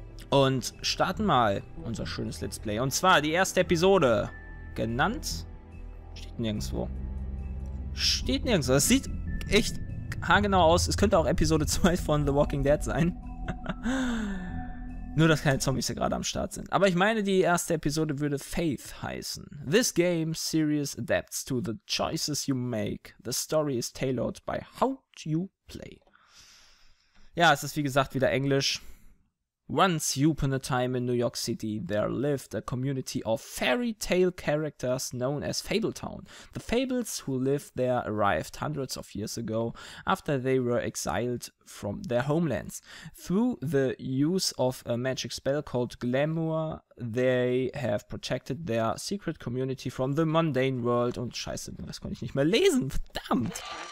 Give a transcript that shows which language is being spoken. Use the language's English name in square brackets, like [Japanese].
[German] Und starten mal unser schönes Let's Play. Und zwar die erste Episode. Genannt. Steht nirgendwo. Steht nirgendwo. Das sieht echt haargenau aus. Es könnte auch Episode 2 von The Walking Dead sein. Nur, dass keine Zombies hier gerade am Start sind. Aber ich meine, die erste Episode würde Faith heißen. [English] This game series adapts to the choices you make. The story is tailored by how you play. [German] Ja, es ist wie gesagt wieder Englisch. [English] Once upon a time in New York City, there lived a community of fairy tale characters known as Fable Town. The Fables who lived there arrived hundreds of years ago after they were exiled from their homelands. Through the use of a magic spell called Glamour, they have protected their secret community from the mundane world. [German] Und scheiße, das konnte ich nicht mehr lesen, verdammt!